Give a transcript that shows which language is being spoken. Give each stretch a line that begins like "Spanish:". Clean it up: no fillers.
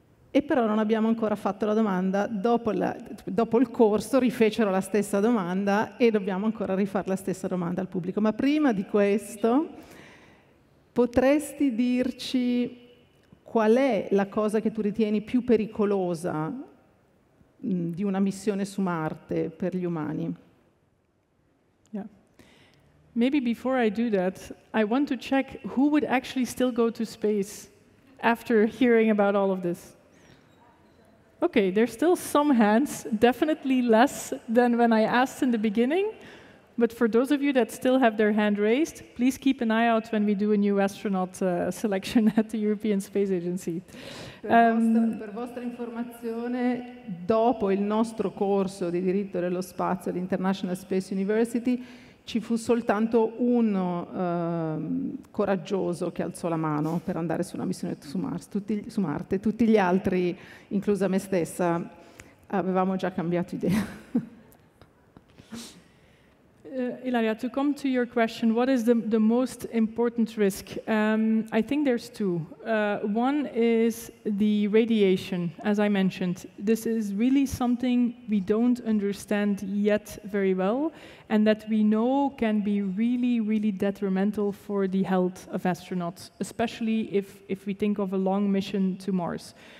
Italian: E però non abbiamo ancora fatto la domanda, dopo il corso rifecero la stessa domanda e dobbiamo ancora rifare la stessa domanda al pubblico. Ma prima di questo, potresti dirci qual è la cosa che tu ritieni più pericolosa di una missione su Marte per gli umani?
English: Yeah. Maybe before I do that, I want to check who would actually still go to space after hearing about all of this. Okay, there's still some hands, definitely less than when I asked in the beginning. But for those of you that still have their hand raised, please keep an eye out when we do a new astronaut selection at the European Space Agency.
Italian: Per vostra informazione, dopo il nostro corso di diritto dello spazio all'International Space University, ci fu soltanto uno coraggioso che alzò la mano per andare su una missione su Mars, su Marte. Tutti gli altri, inclusa me stessa, avevamo già cambiato idea.
English: Ilaria, to come to your question, what is the most important risk? I think there's two. One is the radiation, as I mentioned. This is really something we don't understand yet very well, and that we know can be really, really detrimental for the health of astronauts, especially if we think of a long mission to Mars.